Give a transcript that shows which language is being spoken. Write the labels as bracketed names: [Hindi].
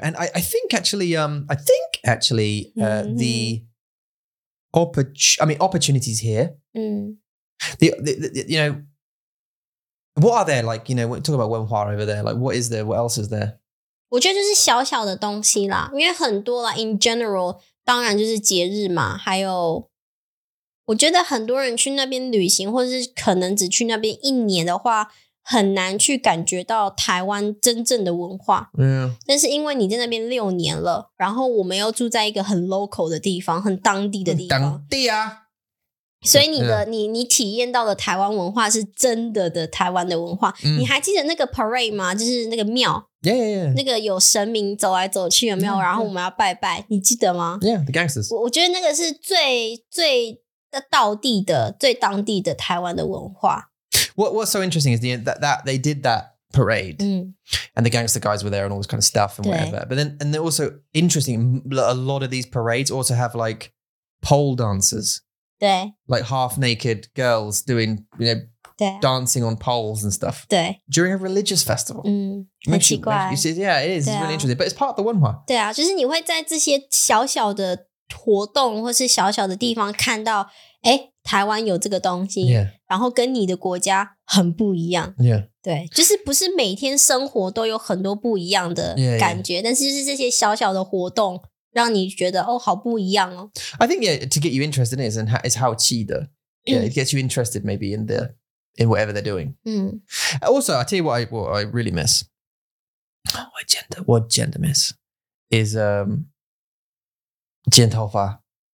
[English] And I think actually, the opportunities here, the you know, what are there? Like, you know, talk about 文化 over there. Like, what is there? What else is there? [Chinese] 我觉得就是小小的东西啦，因为很多啦 [English] in general, [Chinese] 当然就是节日嘛，还有我觉得很多人去那边旅行，或是可能只去那边一年的话很难去感觉到台湾真正的文化。 [English] Yeah. [Chinese] 但是因为你在那边六年了，然后我们又住在一个很 local 的地方，很当地的地方。当地啊。所以你的、yeah. 你体验到的台湾文化是真的台湾的文化。你还记得那个 parade 吗？就是那个庙。 [English] Yeah, yeah, yeah. [Chinese] 那个有神明走来走去有没有？然后我们要拜拜，你记得吗？ [English] Yeah, the gangsters. [Chinese] 我觉得那个是最道地的、最当地的台湾的文化。 [English] What's so interesting is that they did that parade and the gangster guys were there and all this kind of stuff and whatever. But then, and they're also interesting, a lot of these parades also have like pole dancers. Like half naked girls doing, you know, dancing on poles and stuff. During a religious festival. Yeah, it is. It's really interesting. But it's part of the 文化. [Chinese] 对啊，就是你会在这些小小的活动或是小小的地方看到诶台湾有这个东西、 [English] yeah. [Chinese] 然后跟你的国家很不一样、 [English] yeah. [Chinese] 对就是不是每天生活都有很多不一样的感觉 [English] yeah, yeah. [Chinese] 但是就是这些小小的活动让你觉得哦好不一样哦 [English] I think yeah, to get you interested in it is [Chinese] 好奇的 [English] yeah, it gets you interested maybe in whatever they're doing、 [Chinese] 嗯、 [English] Also, I'll tell you what I really miss what gender miss is [Chinese] 剪头发